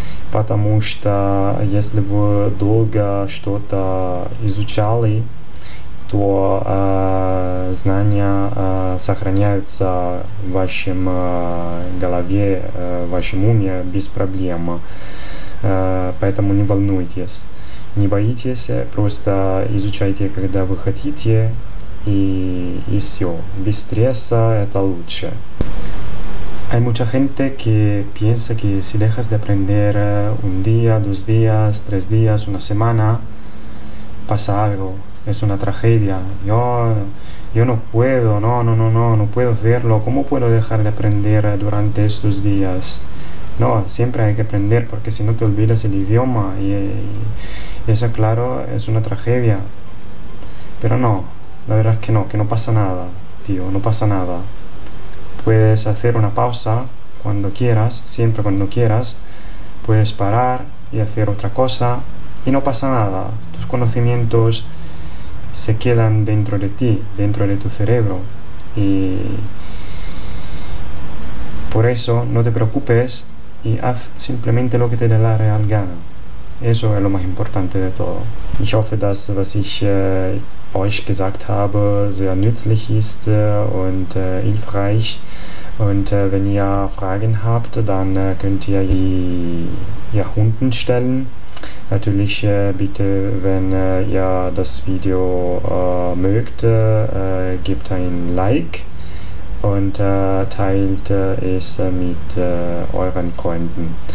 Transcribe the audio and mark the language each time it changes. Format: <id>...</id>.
<ru>Потому что если вы долго что-то изучали, то знания сохраняются в вашем голове, в вашем уме без проблем. Поэтому не волнуйтесь, не боитесь, просто изучайте, когда вы хотите, и все. Без стресса это лучше.</ru> <es>Hay mucha gente que piensa que si dejas de aprender un día, 2 días, 3 días, una semana, pasa algo, es una tragedia. Yo no puedo, no puedo hacerlo. ¿Cómo puedo dejar de aprender durante estos días? No, siempre hay que aprender porque si no te olvidas el idioma y eso, claro, es una tragedia. Pero no, la verdad es que no pasa nada, tío, no pasa nada. Puedes hacer una pausa cuando quieras, siempre cuando quieras. Puedes parar y hacer otra cosa y no pasa nada. Tus conocimientos se quedan dentro de ti, dentro de tu cerebro. Y por eso no te preocupes y haz simplemente lo que te dé la real gana. Eso es lo más importante de todo.</es> <de>Ich hoffe, dass was ich euch gesagt habe, sehr nützlich ist und hilfreich. Und wenn ihr Fragen habt, dann könnt ihr die unten stellen. Natürlich bitte, wenn ihr das Video mögt, gebt ein Like und teilt es mit euren Freunden.</de>